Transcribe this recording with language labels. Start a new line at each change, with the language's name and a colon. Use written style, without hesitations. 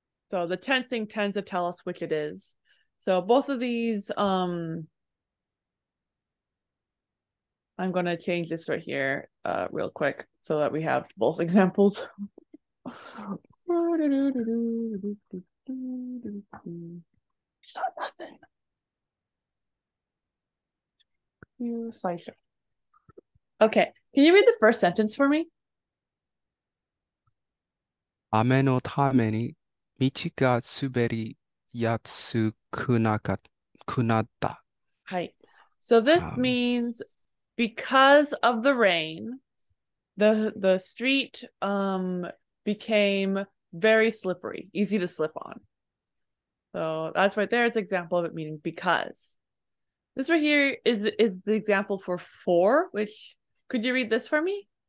English: So the tensing tends to tell us which it is. So both of these, I'm going to change this right here real quick so that we have both examples. Okay, can you read the first sentence for me?
Japanese: 雨のために道が滑りやすくなかくなった。はい。
English: So this means because of the rain, the street became very slippery, easy to slip on. So that's right there. It's an example of it meaning because. This right here is the example for four, which could you read this for me?